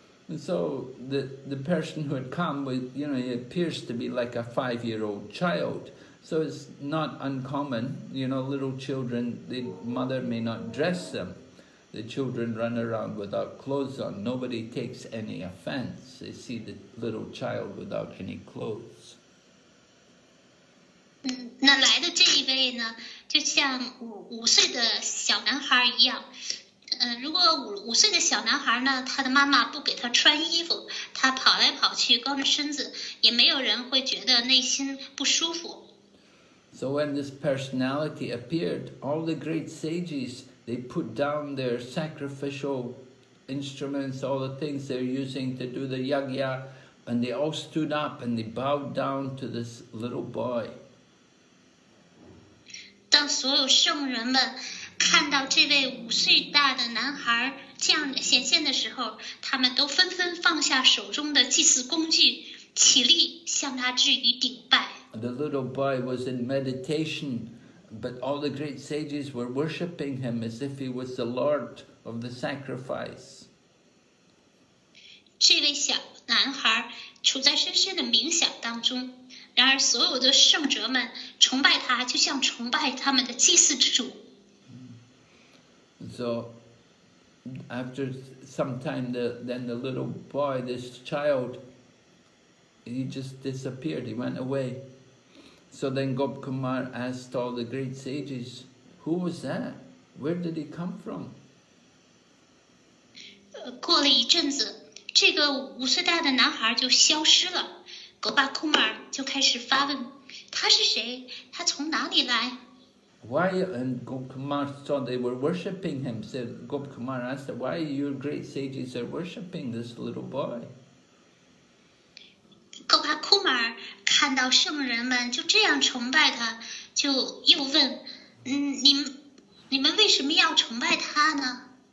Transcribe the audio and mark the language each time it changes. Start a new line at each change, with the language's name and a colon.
English: And so the person who had come with, you know, he appears to be like a 5-year-old child. So it's not uncommon, you know, little children, the mother may not dress them. The children run around without clothes on. Nobody takes any offense. They see the little child without any clothes.
Chinese: 那来的这一位呢，就像五岁的小男孩一样。如果五岁的小男孩呢，他的妈妈不给他穿衣服，他跑来跑去，光着身子，也没有人会觉得内心不舒服。
English: So when this personality appeared, all the great sages, they put down their sacrificial instruments, all the things they're using to do the yagya, and they all stood up and they bowed down to this little boy.
Chinese: 当所有圣人们看到这位五岁大的男孩降显现的时候，他们都纷纷放下手中的祭祀工具，起立向他致以顶拜。
English: The little boy was in meditation, but all the great sages were worshipping him as if he was the Lord of the sacrifice.
Chinese: 这位小男孩处在深深的冥想当中，然而所有的圣哲们崇拜他，就像崇拜他们的祭祀之主。
English: So after some time, then the little boy, this child, he just disappeared. He went away. So then Gop Kumar asked all the great sages, who was that? Where did he come from?
Chinese: 过了一阵子，这个五岁大的男孩就消失了。 Gop Kumar 就开始发问，他是谁？他从哪里来？
English: Why, and Gop Kumar saw they were worshipping him. So Gop Kumar asked him, why are your great sages are worshipping this little boy?
Chinese: Gop Kumar 看到圣人们就这样崇拜他，就又问，你们为什么要崇拜他呢？